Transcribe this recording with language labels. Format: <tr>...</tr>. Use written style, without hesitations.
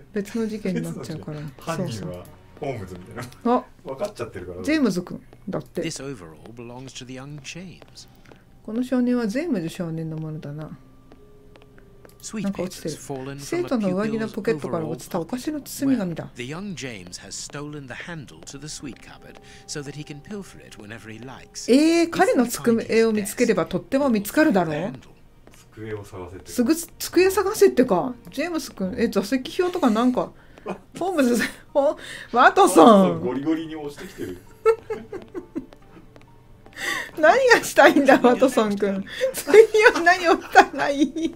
<ja>別の事件になっちゃうから。犯人はホームズみたいな。あ、分かっちゃってるから、ジェームズ君だって。</ja> <en>This overall belongs to the young James.</en> <ja>この少年はジェームズ少年のものだな。なんか落ちてる。生徒の上着のポケットから落ちたお菓子の包み紙だ。</ja> <en>The young James has stolen the handle to the sweet cupboard so that he can pilfer it whenever he likes.</en> <ja>彼の机を見つければとっても見つかるだろう。机を探せって、すぐ机探せってか、ジェームス君。座席表とかなんか、ホームズ、ワトソン。ゴリゴリに押してきてる。何がしたいんだワトソン君。それには何をしたらいい。</ja>